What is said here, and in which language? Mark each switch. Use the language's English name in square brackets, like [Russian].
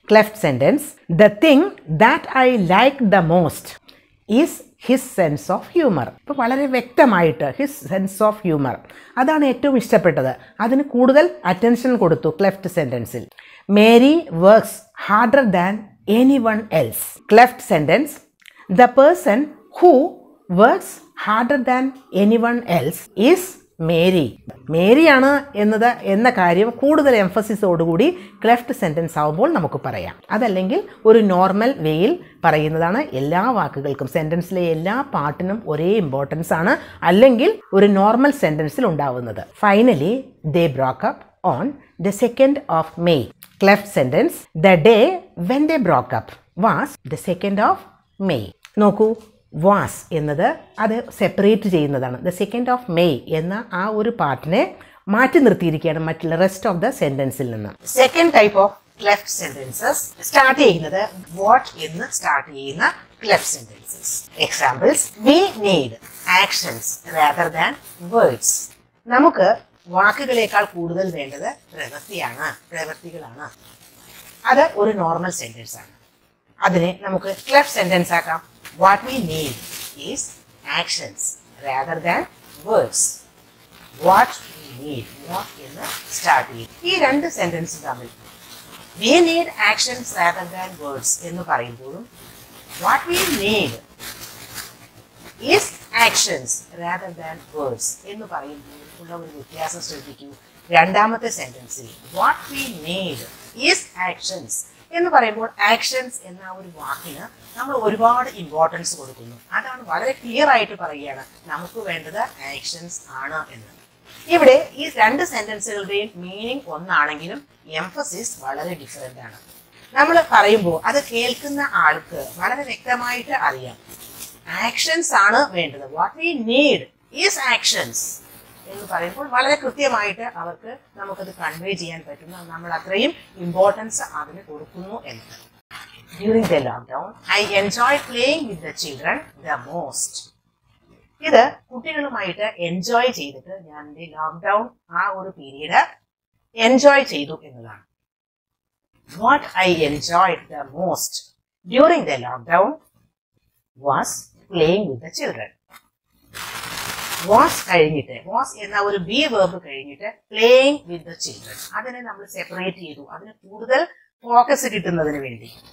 [English] Cleft sentence, the thing that I like the most is his sense of humour. [Malayalam] ഇപ്പോൾ വളരെ വ്യക്തമായിട്ട് [English] his sense of humour, [Malayalam] അതാണ് ഏറ്റവും ഇഷ്ടപ്പെട്ടത്. അതിന് കൂടുതൽ അറ്റൻഷൻ കൊടുത്തു cleft സെൻറ്റൻസിൽ. [English] Mary works harder than anyone else. Cleft sentence, the person who works harder than anyone else is Mary. [Malayalam] മേരിയാണ് എന്നത് എന്ന കാര്യം കൂടുതൽ എംഫസിസോടുകൂടി ക്ലെഫ്റ്റ് സെൻറ്റൻസ് ആവുമ്പോൾ നമുക്ക് പറയാം. അതല്ലെങ്കിൽ ഒരു നോർമൽ വേയിൽ പറയുന്നതാണ്. എല്ലാ വാക്കുകൾക്കും സെൻറ്റൻസിലെ എല്ലാ പാർട്ടിനും ഒരേ ഇമ്പോർട്ടൻസ് ആണ്, അല്ലെങ്കിൽ ഒരു നോർമൽ സെൻറ്റൻസിൽ ഉണ്ടാവുന്നത്. [English] Finally they broke up on the second of May. Cleft sentence the day when they broke up was the second of May. [Malayalam] നോക്കൂ, വാസ് എന്നത് അത് സെപ്പറേറ്റ് ചെയ്യുന്നതാണ്. [English] the second of May [Malayalam] എന്ന ആ ഒരു പാർട്ടിനെ മാറ്റി നിർത്തിയിരിക്കുകയാണ് മറ്റുള്ള റെസ്റ്റ് ഓഫ് ദ സെന്റൻസിൽ നിന്ന്. Second type of cleft sentences start ചെയ്യുന്നത് വാട്ട് എന്ന് സ്റ്റാർട്ട് ചെയ്യുന്ന cleft sentences. [English] Examples, we need actions rather than words. [Malayalam] നമുക്ക് വാക്കുകളേക്കാൾ കൂടുതൽ വേണ്ടത് പ്രവൃത്തികളാണ്. അത് ഒരു നോർമൽ സെന്റൻസ് ആണ്. അതിനെ നമുക്ക് ക്ലെഫ്റ്റ് സെന്റൻസ് ആക്കാം. [English] What we need is actions rather than words. What we need, what in the starting. [Malayalam] ഈ രണ്ട് സെന്റൻസ് തമ്മിൽ [English] we need actions rather than words [Malayalam] എന്ന് പറയുമ്പോഴും [English] what we need is actions rather than words [Malayalam] എന്ന് പറയുമ്പോഴും ഉള്ള ഒരു വ്യത്യാസം ശ്രദ്ധിക്കൂ. രണ്ടാമത്തെ സെന്റൻസിൽ [English] what we need is actions [Malayalam] എന്ന് പറയുമ്പോൾ ആക്ഷൻസ് എന്ന ഒരു വാക്കിന് നമ്മൾ ഒരുപാട് ഇമ്പോർട്ടൻസ് കൊടുക്കുന്നു. അതാണ് വളരെ ക്ലിയർ ആയിട്ട് പറയുകയാണ്, നമുക്ക് വേണ്ടത് ആക്ഷൻസ് ആണ് എന്ന്. ഇവിടെ ഈ രണ്ട് സെന്റൻസുകളുടെയും മീനിങ് ഒന്നാണെങ്കിലും എംഫസിസ് വളരെ ഡിഫറെന്റ് ആണ്. നമ്മൾ പറയുമ്പോൾ അത് കേൾക്കുന്ന ആൾക്ക് വളരെ വ്യക്തമായിട്ട് അറിയാം ആക്ഷൻസ് ആണ് വേണ്ടത്, [English] what we need is actions [Malayalam] എന്ന് പറയുമ്പോൾ വളരെ കൃത്യമായിട്ട് അവർക്ക് നമുക്കത് കൺവേ ചെയ്യാൻ പറ്റുന്നു. നമ്മൾ അത്രയും ഇമ്പോർട്ടൻസ് അതിന് കൊടുക്കുന്നു എന്ന്. [English] During the lockdown, I enjoyed playing with the children the most. [Malayalam] ഇത് കുട്ടികളുമായിട്ട് എൻജോയ് ചെയ്തിട്ട് ഞാൻ എൻ്റെ ലോക്ക്ഡൌൺ ആ ഒരു പീരീഡ് എൻജോയ് ചെയ്തു എന്നതാണ്. [English] What I enjoyed the most during the lockdown was playing with the children. [Malayalam] Was കഴിഞ്ഞിട്ട് വാസ് എന്ന ഒരു ബി വേർബ് കഴിഞ്ഞിട്ട് [English] playing with the children, [Malayalam] അതിനെ നമ്മൾ സെപ്പറേറ്റ് ചെയ്തു അതിന് കൂടുതൽ ഫോക്കസ് കിട്ടുന്നതിന് വേണ്ടി.